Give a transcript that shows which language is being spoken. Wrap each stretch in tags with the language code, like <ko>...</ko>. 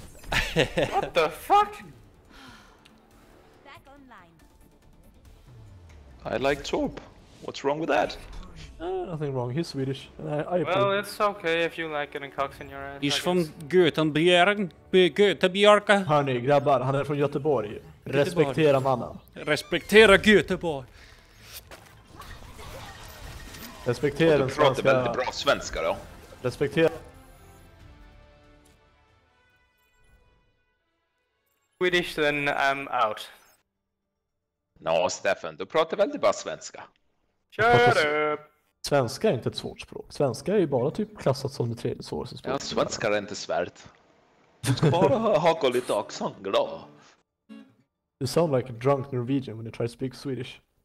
<en>What the fuck? Back online. I like torp. What's wrong with that? Nothing wrong, he's Swedish. Well, it's okay if you like getting cocks in your ass. He's from Götebjerg, Götebjerg.</en> <sv>Hörni, grabbar, han är från Göteborg. Respektera mannen. Respektera Göteborg. Respektera den svenska. Du pratar väldigt bra svenska då. Respektera.</sv> <en>Swedish, then I'm out.</en> <sv>Nå, no, Stefan, du pratar väldigt bra svenska.</sv> <en>Shut up.</en> <sv>Svenska är inte ett svårt språk. Svenska är ju bara typ klassat som det tredje svåraste språket. Ja, svenska är inte svårt. Bara ha koll lite accent, då.</sv> <en>You sound like a drunk Norwegian when you try to speak Swedish.</en>